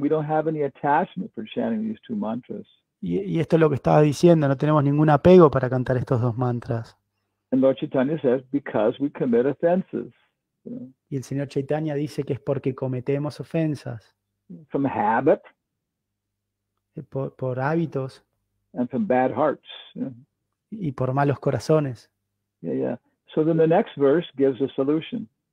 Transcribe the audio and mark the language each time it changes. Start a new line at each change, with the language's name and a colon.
English: We don't have any attachment for chanting these two mantras.
Spanish: Y esto es lo que estaba diciendo, no tenemos ningún apego para cantar estos dos mantras.
English: And Lord Chaitanya says, because we commit offenses.
Spanish: Y el señor Chaitanya dice que es porque cometemos ofensas.
English: From habit.
Spanish: Por hábitos.
English: And from bad hearts.
Spanish: Y por malos corazones.
English: Yeah. So then the next verse gives a solution.